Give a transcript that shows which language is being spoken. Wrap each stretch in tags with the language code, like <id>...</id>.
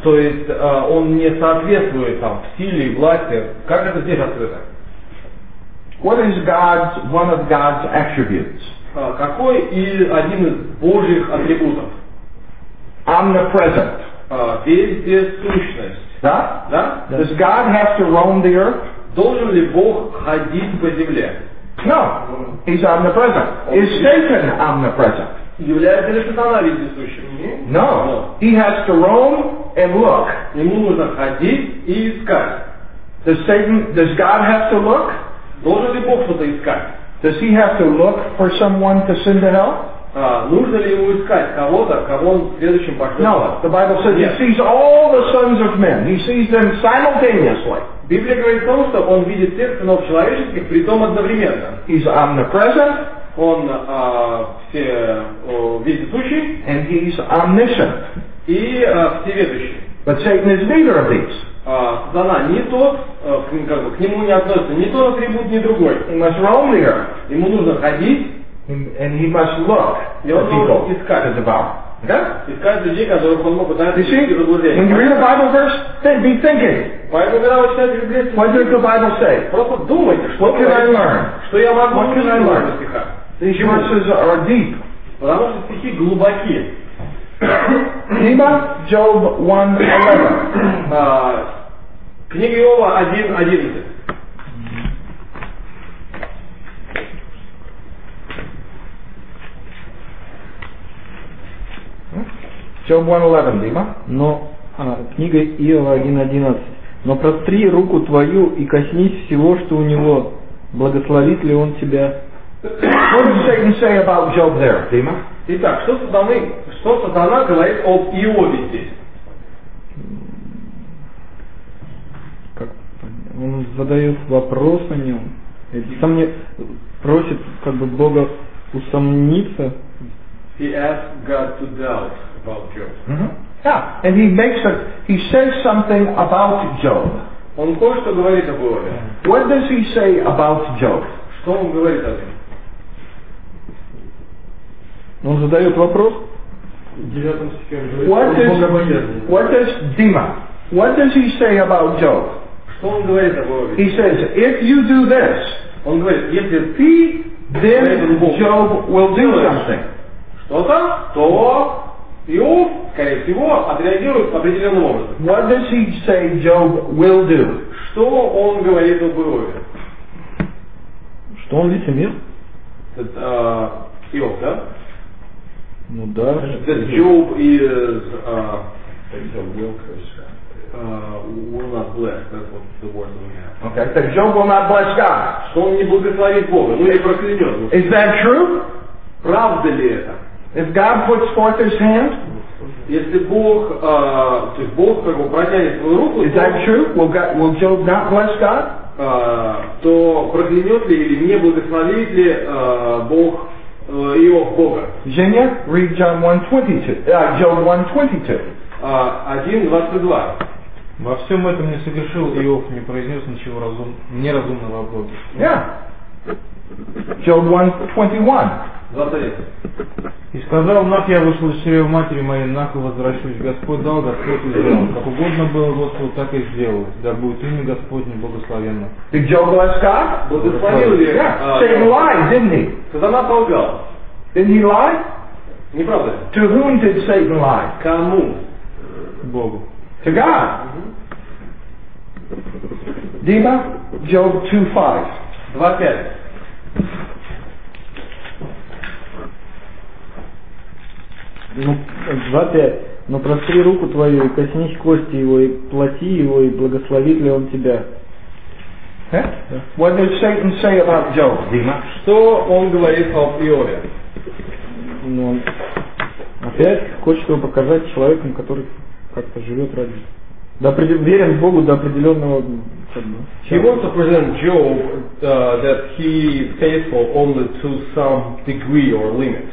<ru>То есть он не соответствует там, в силе и власти. Как это здесь открыто?</ru> <en>What is God's, one of God's attributes?</en> <ru>Какой или один из Божьих атрибутов?</ru> <en>Omnipresent.</en> <ru>Вездесущность. Да? Да?</ru> <en>Does God have to roam the earth?</en> <ru>Должен ли Бог ходить по земле?</ru> <en>No. He's omnipresent. Is Satan omnipresent?</en> <ru>Является ли Сатана вездесущим?</ru> <en>No. He has to roam and look.</en> <ru>Ему нужно ходить и искать.</ru> <en>Does God have to look?</en> <ru>Должен ли Бог что-то искать?</ru> <en>Does he have to look for someone to send to hell?</en> <ru>Нужно ли ему искать кого-то, кого он в следующем пошлет?</ru> <en>No, the Bible says he sees all the sons of men. He sees them simultaneously.</en> <ru>Библия говорит о том, что он видит всех сынов человеческих, при том одновременно.</ru> <en>He's omnipresent.</en> <ru>Он вездесущий.</ru> <en>And he's omniscient.</en> <ru>И всеведущий.</ru> <en>But Satan is neither of these.</en> <ru>Сатана не тот, как бы, к нему не относится ни тот атрибут, ни другой.</ru> <en>He must roam the earth.</en> <ru>Ему нужно ходить.</ru> <en>And he must look at people</en> <ru>искать.</ru> <en>To devour. Okay?</en> <ru>Людей, которых он мог удастся.</ru> <en>You see? When you read a Bible verse, then be thinking. What does the Bible say?</en> <ru>Просто думайте,</ru> <en>what can I learn?</en> <ru>Что я могу</ru> <en>what can I learn? These verses are deep.</en> <ru>Потому что стихи глубоки. Книга Job 1:11. Книга Иова 1:11.</ru> <en>Job 1:11, Дима.</en> <ru>Но книга Иова 1:11. Но простри руку твою и коснись всего, что у него. Благословит ли он тебя?</ru> <en>What does Satan say about Job there, Дима?</en> <ru>Итак, что сатана, говорит об Иове здесь? Как, он задает вопрос о нем. Сам не просит как бы Бога усомниться.</ru> <en>He asked God to doubt. About Job. Mm-hmm. Yeah, and he says something about Job.</en> <ru>Он кое-что говорит об Иове.</ru> <en>What does he say about Job?</en> <ru>Что он говорит о нем? Он задает вопрос. Девятом стихе говорит.</ru> <en>What does he say about Job?</en> <ru>Что он говорит об Иове?</ru> <en>He says, if you do this,</en> <ru>он говорит, если ты,</ru> <en>then Job will do something.</en> <ru>Что-то, то. Иов, скорее всего, отреагирует по определенному образу.</ru> <en>What does he say Job will do?</en> <ru>Что он говорит об Иове? Что он лицемер? Иов, да? Ну да.</ru> <en>Job is... will not bless. That's what the word that we have. Okay. That Job will not bless God.</en> <ru>Что он не благословит Бога, ну или проклянет.</ru> <en>Is that true?</en> <ru>Правда ли это?</ru> <en>If God puts forth His hand,</en> <ru>если Бог, то есть Бог как бы протянет свою руку,</ru> <en>is that true? Will Job not bless God?</en> <ru>То проклянет ли или не благословит ли Бог его Бога?</ru> <en>Женя, read John 1:22. Job 1:22. 1:22.</en> <ru>Во всем этом не согрешил Иов, не произнес ничего неразумного о Боге.</ru> <en>Yeah. Job 1:21.</en> <ru>И сказал, нах я вышел из чрева матери моей, нах и возвращусь. Господь дал, Господь сделал. Как угодно было Господу, так и сделал. Да будет имя Господне благословенно.</ru> <en>Did Job bless God?</en> <ru>Благословил ли?</ru> <en>Yeah. Same lie, didn't he?</en> <ru>Сатана солгал.</ru> <en>Didn't he lie?</en> <ru>Неправда.</ru> <en>To whom did Satan lie?</en> <ru>Кому? Богу.</ru> <en>To God. Дима, Job 2:5. 2:5.</en> <ru>Ну, 2:5. Но простри руку твою и коснись кости его, и плоти его, и благословит ли он тебя.</ru> <en>What did Satan say about Job, Дима?</en> <ru>Что он говорит об Иове? Ну, опять хочет его показать человеком, который как-то живет ради. Верен Богу до определенного.</ru> <en>He wants to present Job that he is faithful only to some degree or limit.</en>